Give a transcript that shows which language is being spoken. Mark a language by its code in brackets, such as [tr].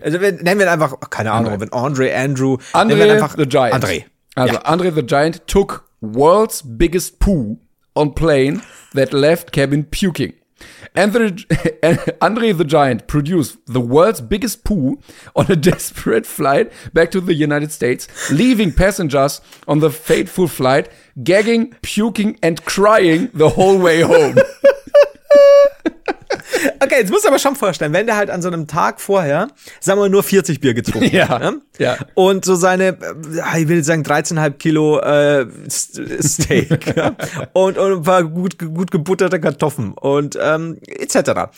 [de] Also, nennen wir ihn einfach, keine Ahnung, Andre. Andre the Giant. Andre. Also, ja. [en] Andre the Giant took world's biggest poo on plane that left cabin puking. Andre the Giant produced the world's biggest poo on a desperate flight back to the United States, leaving passengers on the fateful flight gagging, puking and crying the whole way home. [de] Okay, jetzt musst du aber schon vorstellen, wenn der halt an so einem Tag vorher, sagen wir mal, nur 40 Bier getrunken hat, ja, ne? Ja. Und so seine, ich will sagen, 13,5 Kilo Steak, ja? und ein paar gut gebutterte Kartoffeln und etc.